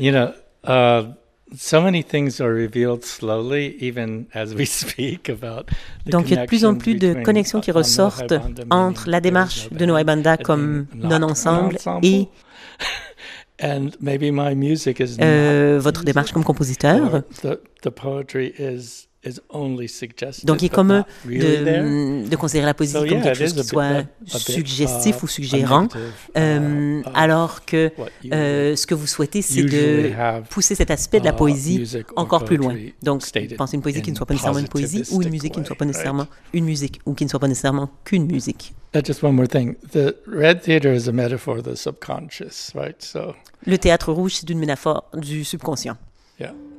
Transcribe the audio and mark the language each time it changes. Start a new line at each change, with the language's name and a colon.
English: You know, so many things are revealed slowly, even as we speak about the connection.
French: Donc, il y a de plus en plus de connexions qui ressortent entre la démarche de Noé Banda comme non-ensemble et
English: and maybe my music is
French: votre démarche comme compositeur.
English: The poetry is only suggested.
French: Donc, il est comme de considérer la poésie comme quelque chose qui soit suggestif ou suggérant, alors que ce que vous souhaitez, c'est de pousser cet aspect de la poésie encore plus loin. Donc, pensez une poésie qui ne soit pas nécessairement une poésie ou une musique qui ne soit pas nécessairement une musique ou qui ne soit pas nécessairement qu'une musique.
English: Just one more thing. The red theater is a metaphor of the subconscious, right? So.
French: Le théâtre rouge, c'est une métaphore du subconscient.
English: Yeah.